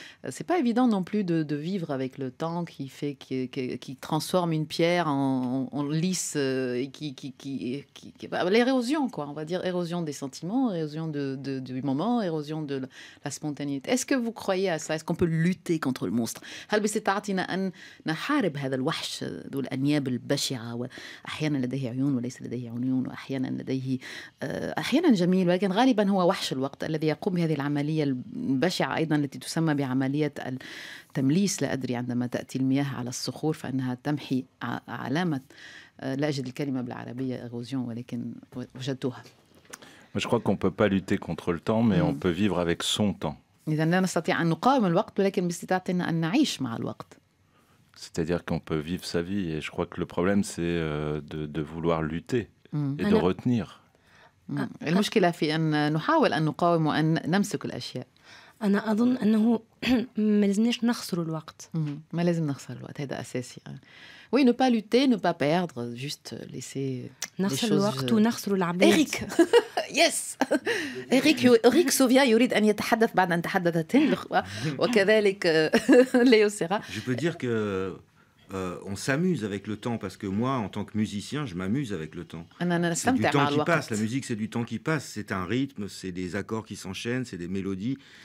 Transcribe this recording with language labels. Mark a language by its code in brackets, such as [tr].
[fr] C'est pas évident non plus de vivre avec le temps qui fait qui transforme une pierre en lisse et qui l'érosion, quoi, on va dire, érosion des sentiments, érosion du moment, érosion de la spontanéité. Est-ce que vous croyez à ça? Est-ce qu'on peut lutter contre le monstre? [ar] هل بستطعتنا أن نحارب هذا الوحش ذو الأنياب البشعة، وأحيانا لديه عيون وليس لديه عيون، وأحيانا لديه أحيانا جميل، ولكن غالبا هو وحش الوقت الذي يقوم بهذه العملية البشعة أيضا التي تسمى بعملية التمليس. لا أدري، عندما تأتي المياه على الصخور فإنها تمحي علامة، لا أجد الكلمة بالعربية إغوزيون، ولكن وجدتها. [fr] Je crois qu'on ne peut pas lutter contre le temps, mais on peut vivre avec son temps. C'est-à-dire qu'on peut vivre sa vie. Et je crois que le problème, c'est de vouloir lutter et de retenir. Le problème, c'est qu'on essaie de lutter et de retenir les choses. [ar] أنا أظن أنه ما لازمناش نخسر الوقت. ما لازم نخسر الوقت، هذا أساسي. [fr] وي نو با لوتي نو با بيردر، جوست ليسي [ar] نخسر الوقت ونخسر العباد. إريك يس إريك إريك سوفيا يريد أن يتحدث بعد أن تحدثت وكذلك ليو سيرا. [fr] Je peux dire que on s'amuse avec le temps, parce que moi, en tant que musicien, je m'amuse avec le temps. C'est du temps qui passe. La musique, c'est du temps qui passe. C'est un rythme, c'est des accords qui s'enchaînent, c'est des mélodies.